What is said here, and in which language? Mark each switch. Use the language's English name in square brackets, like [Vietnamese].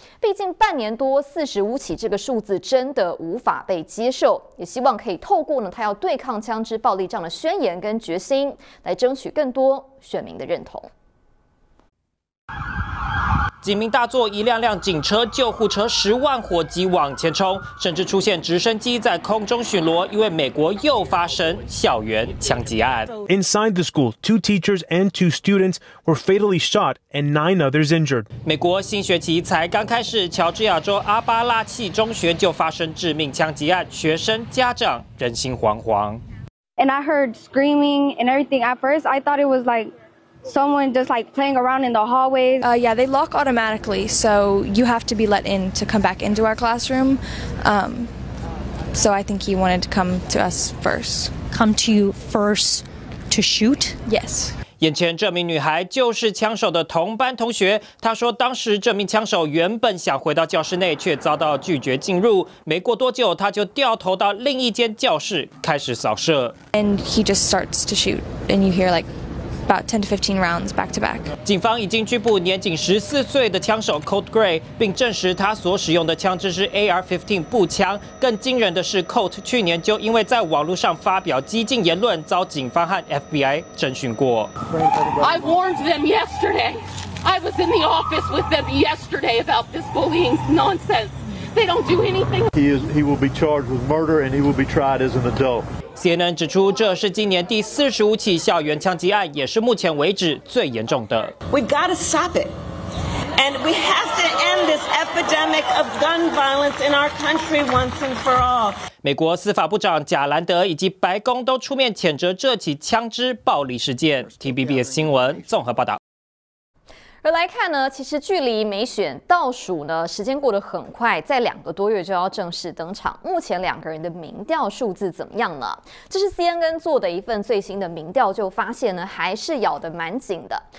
[Chinese] 毕竟半年多45起这个数字真的无法被接受，也希望可以透过呢，他要对抗枪支暴力这样的宣言跟决心，来争取更多选民的认同。警民大作，一辆辆警车、救护车、10万火急往前冲，甚至出现直升机在空中巡逻，因为美国又发生校园枪击案。 [English] Inside the school, 2 teachers and 2 students were fatally shot and 9 others injured. [Chinese] 美国新学期才刚开始，乔治亚州阿巴拉契中学就发生致命枪击案，学生、家长人心惶惶。 [English] And I heard screaming and everything. At first, I thought it was like. Someone just like playing around in the hallways. Yeah, they lock automatically, so you have to be let in to come back into our classroom. So I think he wanted to come to us first. Come to you first to shoot? Yes. [Chinese] 眼前这名女孩就是枪手的同班同学，她说当时这名枪手原本想回到教室内，却遭到拒绝进入，没过多久她就掉头到另一间教室开始扫射。 [English] And he just starts to shoot, and you hear like,About 10 to 15 rounds back to back. [Chinese] 警方已经拘捕年仅14岁的枪手 Colt Gray， 并证实他所使用的枪支是 AR-15 步枪。更惊人的是 ，Colt 去年就因为在网络上发表激进言论，遭警方和 FBI 侦讯过。 [English] I warned them yesterday. I was in the office with them yesterday about this bullying nonsense. They don't do anything. He will be charged with murder and he will be tried as an adult. [Chinese] CNN 指出，这是今年第45起校园枪击案，也是目前为止最严重的。 [English] We've got to stop it, And we have to end this epidemic of gun violence in our country once and for all. [Chinese] 美国司法部长贾兰德以及白宫都出面谴责这起枪支暴力事件。 TVBS 新闻综合报道。而来看呢，其实距离美选倒数呢，时间过得很快，在两个多月就要正式登场。目前两个人的民调数字怎么样呢？这是 CNN 做的一份最新的民调，就发现呢，还是咬得蛮紧的。